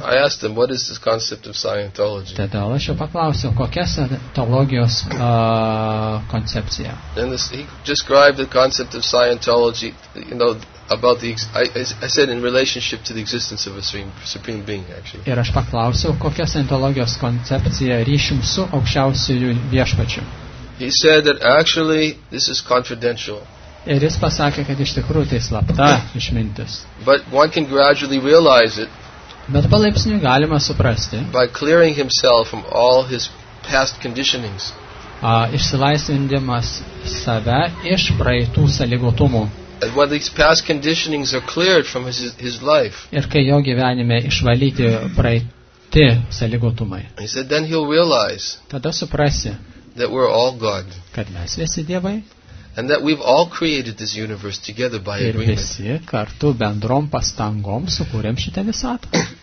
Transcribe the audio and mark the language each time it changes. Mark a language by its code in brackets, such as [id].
[en] I asked him, what is this concept of Scientology? [lt] Tada aš jau paklausiau, kokia Scientologijos koncepcija. [en] And he described the concept of Scientology, you know, about the I said in relationship to the existence of a supreme being actually. [lt] Ir aš paklausiau, kokia Scientologijos koncepcija ryšium su aukščiausiuoju viešpačiu. [en] He said that actually this is confidential. [lt] Ir jis pasakė, kad iš tikrųjų tai slapta išmintis. [en] But one can gradually realize it. [lt] Bet palaipsniui galima suprasti. [en] By clearing himself from all his past conditionings. [lt] Išsilaisvindamas save iš praeitų sąlygotumų. [en] And when these past conditionings are cleared from his life. [lt] Ir kai jo gyvenime išvalyti praeiti sąlygotumai. [en] He said then he'll realize. [lt] Tada suprasi. [en] That we're all God. [lt] Kad mes visi dievai. [en] And that we've all created this universe together by [lt] ir [en] agreement. [lt] Ir visi kartu bendrom pastangom sukūrėm šitą visatą.